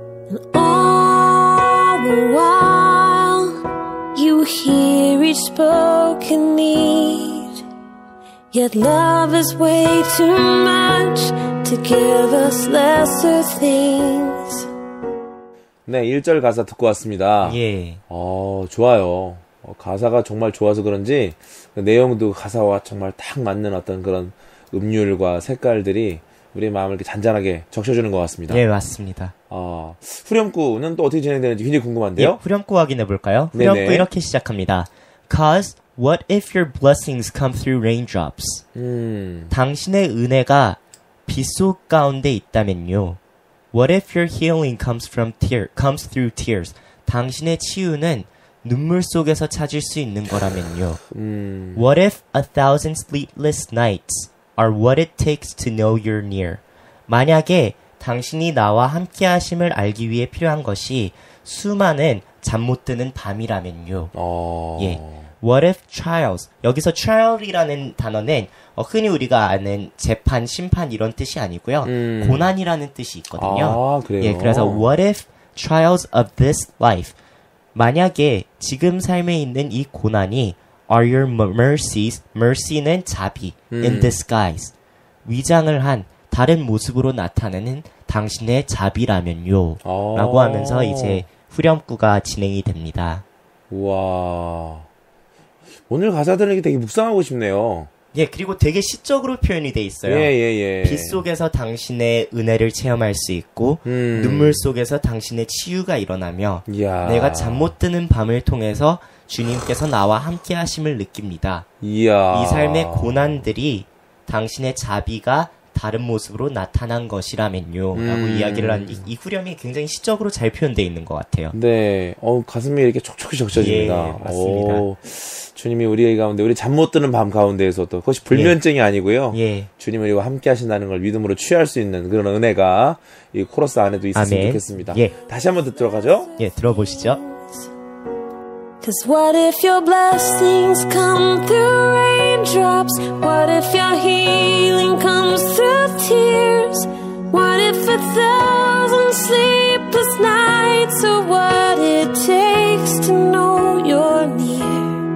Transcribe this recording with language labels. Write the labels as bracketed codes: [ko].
[en] And all the while you hear each spoken need, yet love is way too much to give us lesser things. [ko] 네, 1절 가사 듣고 왔습니다. 예. 좋아요. 가사가 정말 좋아서 그런지 내용도 가사와 정말 딱 맞는 어떤 그런 음률과 색깔들이 우리의 마음을 이렇게 잔잔하게 적셔주는 것 같습니다. 네, 맞습니다. 후렴구는 또 어떻게 진행되는지 굉장히 궁금한데요. 예, 후렴구 확인해볼까요? 후렴구 네네. 이렇게 시작합니다. [en] Cause, what if your blessings come through raindrops? [ko] 당신의 은혜가 빗속 가운데 있다면요. [en] What if your healing comes through tears? [ko] 당신의 치유는 눈물 속에서 찾을 수 있는 거라면요. [en] What if a thousand sleepless nights are what it takes to know you're near? [ko] 만약에 당신이 나와 함께 하심을 알기 위해 필요한 것이 수많은 잠 못 드는 밤이라면요. 예. [en] What if trials? [ko] 여기서 trial이라는 단어는 흔히 우리가 아는 재판, 심판 이런 뜻이 아니고요. 고난이라는 뜻이 있거든요. 그래요? 예, 그래서 [en] What if trials of this life? [ko] 만약에 지금 삶에 있는 이 고난이 [en] are your mercies, [ko] mercy는 자비, [en] in disguise, [ko] 위장을 한 다른 모습으로 나타내는 당신의 자비라면요. 라고 하면서 이제 후렴구가 진행이 됩니다. 와, 오늘 가사들에게 되게 묵상하고 싶네요. 예, 그리고 되게 시적으로 표현이 돼 있어요. 예, 예, 예. 빛 속에서 당신의 은혜를 체험할 수 있고 눈물 속에서 당신의 치유가 일어나며 이야. 내가 잠 못 드는 밤을 통해서 주님께서 나와 함께 하심을 느낍니다. 이야. 이 삶의 고난들이 당신의 자비가 다른 모습으로 나타난 것이라면요. 라고 이야기를 한 이 후렴이 굉장히 시적으로 잘 표현되어 있는 것 같아요. 네. 가슴이 이렇게 촉촉히 적셔집니다. 예, 맞습니다. 주님이 우리의 가운데, 우리 잠 못 드는 밤 가운데에서 또, 그것이 불면증이 예. 아니고요. 예. 주님을 이거 함께 하신다는 걸 믿음으로 취할 수 있는 그런 은혜가 이 코러스 안에도 있었으면 아멘. 좋겠습니다. 예. 다시 한번 듣도록 하죠. 예, 들어보시죠. [en] Cause what if your blessings come through raindrops? What if your healing comes through tears? What if a thousand sleepless nights are what it takes to know you're near?